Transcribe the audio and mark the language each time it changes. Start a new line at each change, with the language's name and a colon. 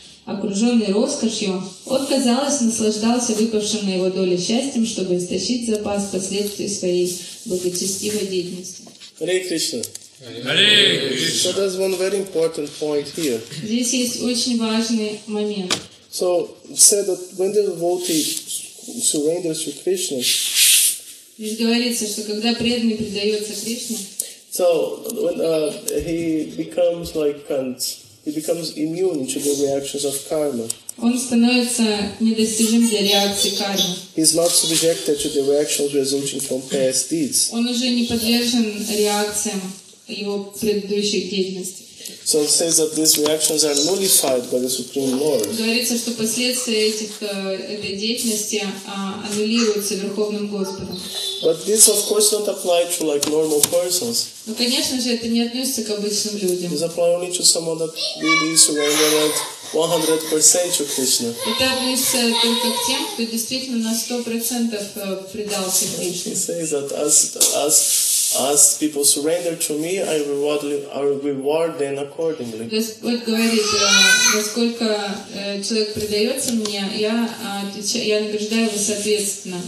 Russian: Окруженный роскошью, он, казалось, наслаждался выпавшим на его долю счастьем, чтобы истощить запас последствий своей благочестивой деятельности».
Sanskrit: Hare Krishna. Hare Krishna.
English: So there's one very important point here.
Russian: Здесь есть очень важный момент.
English: So said that when the devotee surrenders to Krishna.
Russian: Здесь говорится, что когда преданный предается Кришне.
English: So when he becomes like Kant. He becomes immune to the reactions of karma.
Russian: Он становится недостижим для реакции кармы.
English: He is not subjected to the reactions resulting from past deeds.
Russian: Он уже не подвержен реакциям его предыдущих деятельностей.
English: So it says that these reactions are nullified by the Supreme Lord.
Russian: Говорится, что последствия этих деятельности аннулируются Верховным Господом.
English: But this, of course, don't apply to like normal persons.
Russian: Но, конечно же, это не относится к обычным людям.
English: This applies only to someone that really surrendered 100% to Krishna.
Russian: Это относится только к тем, кто действительно на 100% предался Кришне.
English: It says that as people surrender to me, I reward them accordingly.
Russian: Господь говорит, насколько человек предается мне, я награждаю его соответственно.